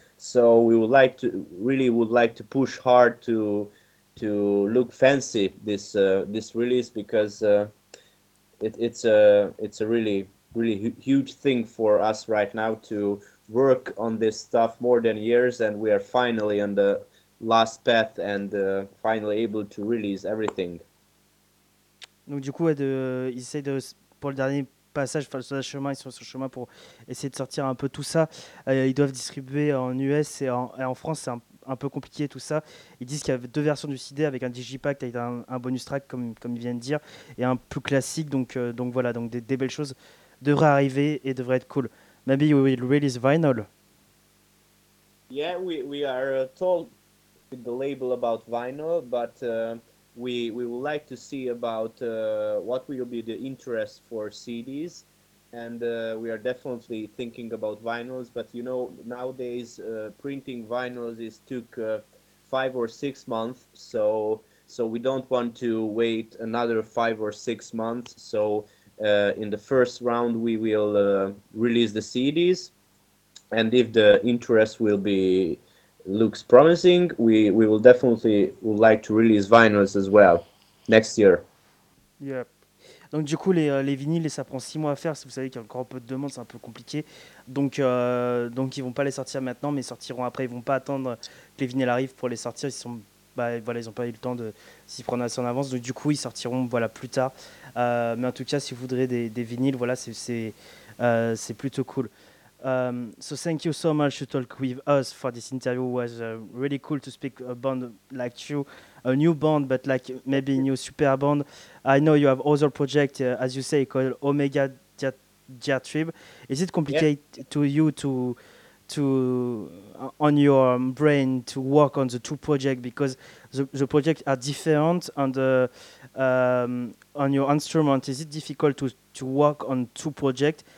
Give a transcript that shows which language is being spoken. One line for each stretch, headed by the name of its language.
English: So we would like to push hard to look fancy this release, because it's a really really huge thing for us right now to work on this stuff more than years, and we are finally on the last path and finally able to release everything.
French: Donc du coup, il essaie de, pour le dernier passage, enfin, sur le chemin, ils sont sur le chemin pour essayer de sortir un peu tout ça. Ils doivent distribuer en US et en France, c'est un peu compliqué tout ça. Ils disent qu'il y avait deux versions du CD avec un digipack, avec un bonus track comme ils viennent de dire, et un plus classique. Donc voilà, donc des belles choses devraient arriver et devraient être cool.
English: Maybe we will release vinyl. Yeah, we are told with the label about vinyl, but we would like to see about what will be the interest for CDs, and we are definitely thinking about vinyls. But you know, nowadays printing vinyls took 5 or 6 months, so we don't want to wait another 5 or 6 months. So in the first round we will release the CDs, and if the interest looks promising, we will definitely would like to release vinyls as well next year. Yep.
French: Donc du coup, les vinyles, ça prend 6 mois à faire. Si vous savez qu'il y a encore un peu de demande, c'est un peu compliqué. Donc ils vont pas les sortir maintenant, mais sortiront après. Ils vont pas attendre que les vinyles arrivent pour les sortir. Ils ont pas eu le temps de s'y prendre assez en avance. Donc du coup, ils sortiront plus tard. Mais en tout cas, si vous voudrez des vinyles, c'est plutôt cool.
English: So thank you so much to talk with us for this interview. It was really cool to speak a band like you, a new band, but like maybe a new super band. I know you have other projects, as you say, called Omega Diatribe. Is it complicated to you to on your brain to work on the two projects, because the projects are different, and on your instrument, is it difficult to work on two projects?